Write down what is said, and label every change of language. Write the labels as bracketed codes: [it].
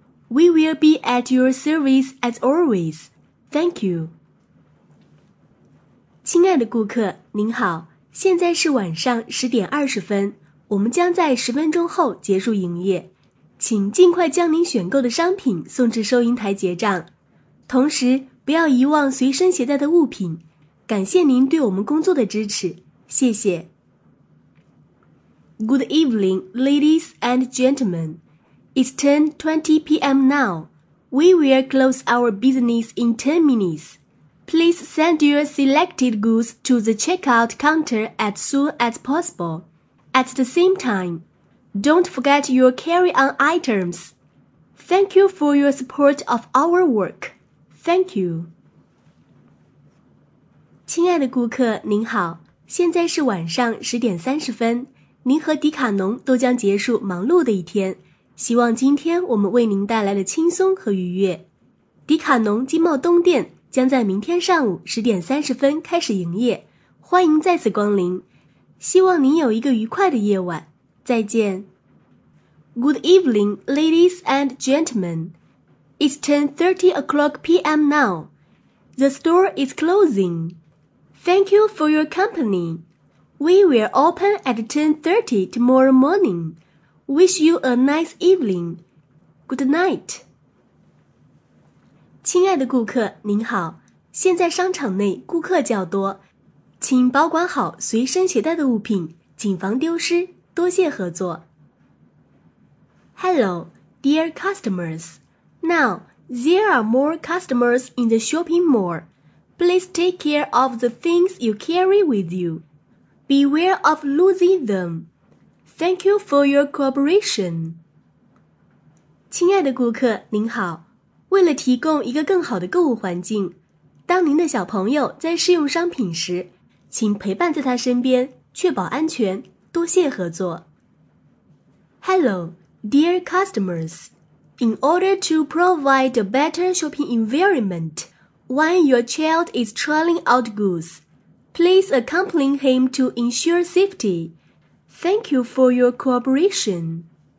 [en] We will be at your service as always. Thank you. [zh] 亲爱的顾客您好，现在是晚上10:20，我们将在10分钟后结束营业，请尽快将您选购的商品送至收银台结账，同时不要遗忘随身携带的物品，感谢您对我们工作的支持，谢谢。 [en] Good evening, ladies and gentlemen. It's 10:20 p.m. now. We will close our business in 10 minutes. Please send your selected goods to the checkout counter as soon as possible. At the same time, don't forget your carry-on items. Thank you for your support of our work. Thank you. [zh] 亲爱的顾客您好，现在是晚上10:30，您和迪卡侬都将结束忙碌的一天，希望今天我们为您带来了轻松和愉悦。迪卡侬经贸东店将在明天上午10:30开始营业，欢迎再次光临，希望您有一个愉快的夜晚，再见。 [en] Good evening, ladies and gentlemen. It's 10:30 p.m. now. The store is closing. Thank you for your company. We will open at 10:30 tomorrow morning. Wish you a nice evening. Good night. [zh] 亲爱的顾客您好，现在商场内顾客较多，请保管好随身携带的物品，谨防丢失，多谢合作。 [en] Hello, dear customers. Now, there are more customers in the shopping mall. Please take care of the things you carry with you. Beware of losing them. Thank you for your cooperation. [zh] 亲爱的顾客您好，为了提供一个更好的购物环境，当您的小朋友在试用商品时，请陪伴在他身边，确保安全，多谢合作。 [en] Hello, dear customers. In order to provide a better shopping environment when your child is trailing out goods, please accompany him to ensure safety. Thank you for your cooperation.